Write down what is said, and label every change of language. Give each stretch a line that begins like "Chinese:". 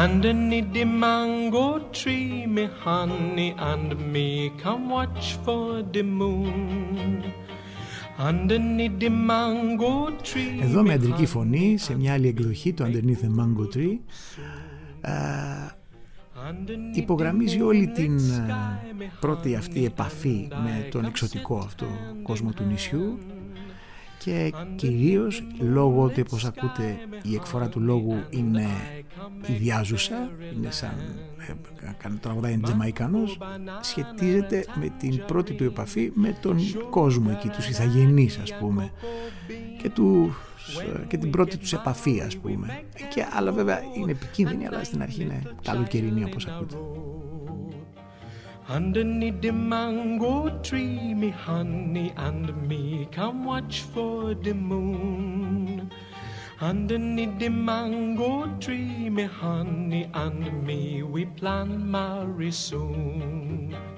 English: Underneath the mango tree, me honey and me, come watch for the moon. Underneath the mango tree.
Greek: Εδώ με αντρική φωνή σε μια άλλη εκδοχή του Underneath the Mango Tree υπογραμμίζει όλη την πρώτη αυτή επαφή με τον εξωτικό αυτό κόσμο του νησιού και κυρίως λόγω ότι όπως ακούτε η εκφορά του λόγου είναι ιδιάζουσα, είναι σαν τραγουδάει τζαμαϊκανός, σχετίζεται με την πρώτη του επαφή με τον κόσμο εκεί, τους ιθαγενείς ας πούμε και του και την πρώτη τους επαφή ας πούμε και, αλλά βέβαια είναι επικίνδυνη, αλλά στην αρχή είναι καλοκαιρινή όπως ακούτε.
English: Underneath the mango tree, me honey and me, come watch for the moon. Underneath the mango tree, me honey and me, we plan marry soon.